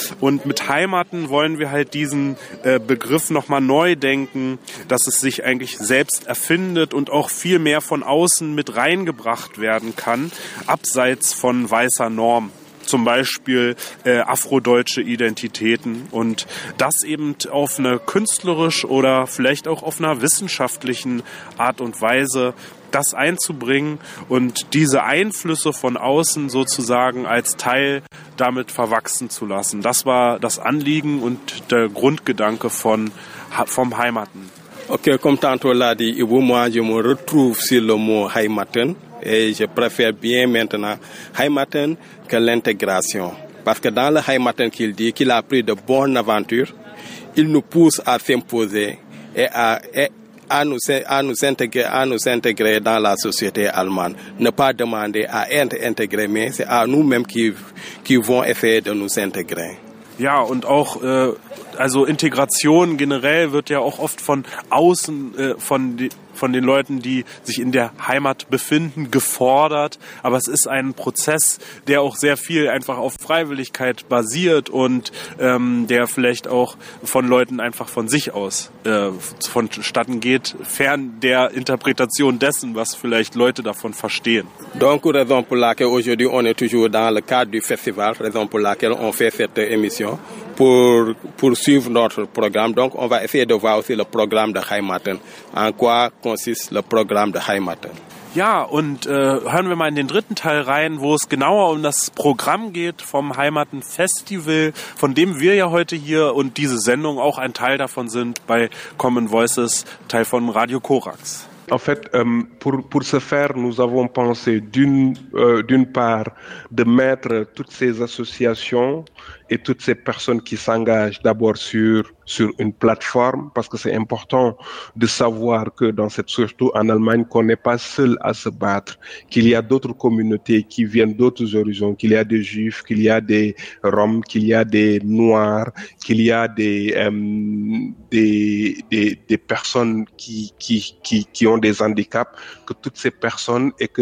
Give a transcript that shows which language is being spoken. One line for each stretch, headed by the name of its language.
German: Und mit Heimaten wollen wir halt diesen Begriff nochmal neu denken, dass es sich eigentlich selbst erfindet und auch viel mehr von außen mit reingebracht werden kann, abseits von weißer Norm, zum Beispiel afrodeutsche Identitäten und das eben auf eine künstlerisch oder vielleicht auch auf einer wissenschaftlichen Art und Weise das einzubringen und diese Einflüsse von außen sozusagen als Teil damit verwachsen zu lassen. Das war das Anliegen und der Grundgedanke von vom Heimaten.
French: Okay, comme tantôt l'a dit Ibu, moi je me retrouve sur le mot Heimaten. Et je préfère bien maintenant Heimaten que l'intégration. Parce que dans le Heimaten qu'il dit, qu'il a pris de bonnes aventures, il nous pousse à s'imposer et à nous intégrer dans la société allemande. Ne pas demander à être intégré, mais c'est à nous-mêmes qui vont essayer de nous intégrer.
German: Ja, und auch also Integration generell wird ja auch oft von außen von den Leuten, die sich in der Heimat befinden, gefordert. Aber es ist ein Prozess, der auch sehr viel einfach auf Freiwilligkeit basiert und der vielleicht auch von Leuten einfach von sich aus vonstatten geht, fern der Interpretation dessen, was vielleicht Leute davon verstehen.
French: Donc, raison pour laquelle aujourd'hui on est toujours dans le cadre du festival, raison pour laquelle on fait cette émission, pour suivre notre programme. Donc, on va essayer de voir aussi le programme de Heimaten. En quoi consiste le programme de Heimaten?
German: Ja, und hören wir mal in den dritten Teil rein, wo es genauer um das Programm geht vom Heimaten-Festival, von dem wir ja heute hier und diese Sendung auch ein Teil davon sind bei Common Voices, Teil von Radio Korax.
French: En fait, pour ce faire, nous avons pensé d'une part de mettre toutes ces associations et toutes ces personnes qui s'engagent d'abord sur une plateforme, parce que c'est important de savoir que dans cette, surtout en Allemagne, qu'on n'est pas seul à se battre, qu'il y a d'autres communautés qui viennent d'autres horizons, qu'il y a des Juifs, qu'il y a des Roms, qu'il y a des Noirs, qu'il y a des personnes qui ont des handicaps, que toutes ces personnes